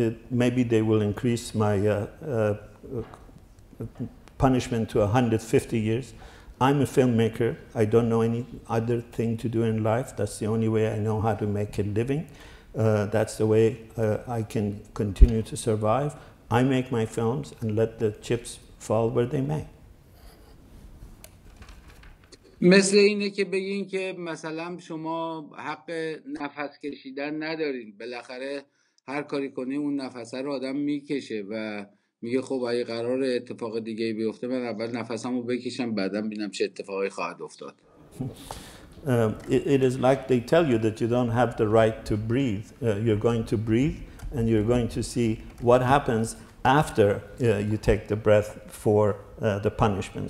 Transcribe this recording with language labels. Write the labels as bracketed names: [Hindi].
[English] Maybe they will increase my punishment to 150 years. I'm a filmmaker. I don't know any other thing to do in life. That's the only way I know how to make a living. That's the way I can continue to survive. I make my films and let the chips fall where they may. [Persian] مثل اینه که بگین که مثلا شما حق نفس کشیدن ندارین، بالاخره هر کاری کنی اون نفسه رو آدم میکشه و میگه خب اگه قرار اتفاق دیگه بیفته من اول نفسمو بکشم بعدا ببینم چه اتفاقی خواهد افتاد. [English] It is like they tell you that you don't have the right to breathe. You're going to breathe and you're going to see what happens after you take the breath for the punishment.